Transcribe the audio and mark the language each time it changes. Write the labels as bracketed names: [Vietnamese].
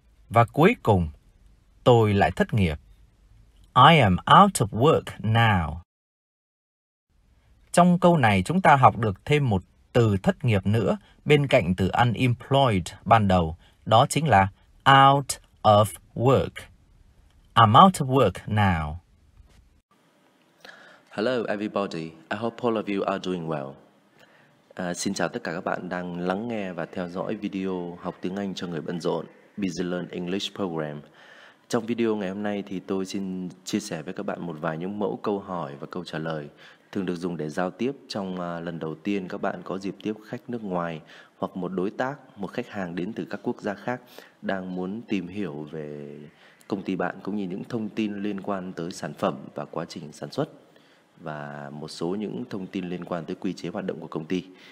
[Vietnamese] Và cuối cùng, tôi lại thất nghiệp. [English] I am out of work now. [Vietnamese] Trong câu này chúng ta học được thêm một từ thất nghiệp nữa bên cạnh từ unemployed ban đầu, đó chính là out of work. [English] I'm out of work now. Hello everybody, I hope all of you are doing well. [Vietnamese] Xin chào tất cả các bạn đang lắng nghe và theo dõi video học tiếng Anh cho người bận rộn Busy Learn English Program. Trong video ngày hôm nay thì tôi xin chia sẻ với các bạn một vài những mẫu câu hỏi và câu trả lời thường được dùng để giao tiếp trong lần đầu tiên các bạn có dịp tiếp khách nước ngoài hoặc một đối tác, một khách hàng đến từ các quốc gia khác đang muốn tìm hiểu về công ty bạn cũng như những thông tin liên quan tới sản phẩm và quá trình sản xuất và một số những thông tin liên quan tới quy chế hoạt động của công ty.